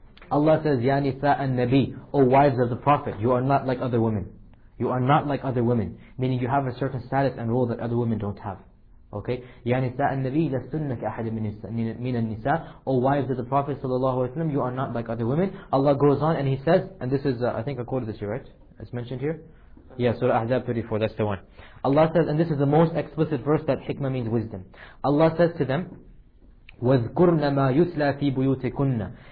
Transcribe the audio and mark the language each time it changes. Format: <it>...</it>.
<en>Allah says,</en> <ar>Ya Nisa al-Nabi,</ar> <en>O wives of the Prophet, you are not like other women. You are not like other women. Meaning you have a certain status and role that other women don't have. Okay?</en> <ar>Ya Nisa al-Nabi, لَسْتُنَّ كَأَحَدٍ مِنَ النِّسَى.</ar> <en>O wives of the Prophet, sallallahu alayhi wa sallam, you are not like other women. Allah goes on and He says, and this is, I think I quoted this here, right? It's mentioned here. Yeah, Surah Ahzab 34, that's the one. Allah says, and this is the most explicit verse, that hikmah means wisdom. Allah says to them,</en> <ar>وَذْكُرْنَ مَا يُتْلَى فِي بُيُوتِكُنَّ,</ar>